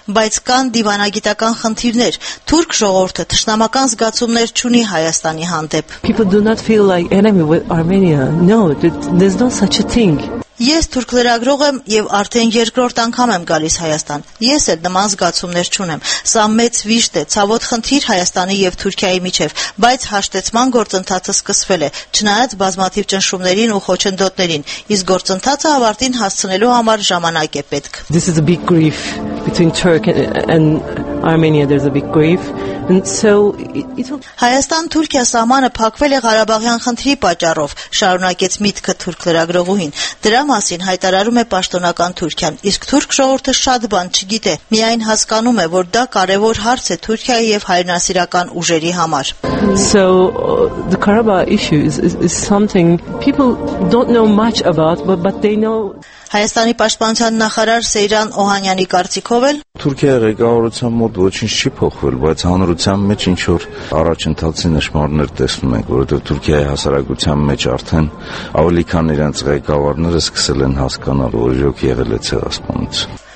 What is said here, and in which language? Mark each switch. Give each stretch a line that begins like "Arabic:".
Armenian: բայց կան դիվանագիտական խնդիրներ, թուրք ժողովուրդը թշնամական զգացումներ չունի Հայաստանի հանդեպ։ Ես թուրք լրագրող եմ և արդեն երկրորդ անգամ եմ գալիս Հայաստան։ Ես էլ նման զգացումներ չունեմ։ Սա մեծ վիշտ է, ցավոտ խնդիր Հայաստանի և Թուրքիայի միջև, բայց հաշտեցման գործընթացը սկսվել է, չնայած բազմաթիվ ճնշումներին ու խոչընդոտներին, իսկ գործընթացը ավարտին հասցնելու համար ժամանակ է պետք։
English: This is a big grief between Turkey and Armenia. There's a big grief.
Armenian: Հայաստան-Թուրքիա սահմանը փակվել է Ղարաբաղյան խնդրի պատճառով, շարունակեց միտքը թուրք լրագրողուհին։ Դրա մասին հայտարարում է պաշտոնական Թուրքիան, իսկ թուրք ժողովուրդը շատ բան չգիտե, միայն հասկանում է, որ դա կարևոր հարց է Թուրքիայի և հայրենասիրական ուժերի համար։
English: So the Karabakh issue is something people don't know much about, but they know.
Armenian: Հայաստանի պաշտպանության նախարար Սեյրան Օհանյանի կարծիքով էլ Թուրքիայի ղեկավարության մոտ ոչինչ չի փոխվել, բայց հանրության մեջ ինչ որ առաջընթացի նշմարներ տեսնում ենք, որովհետև Թուրքիայի հասարակության մեջ արդեն ավելի քան իրենց ղեկավարները սկսել են հասկանալ, որ իրոք եղել է ցեղասպանություն։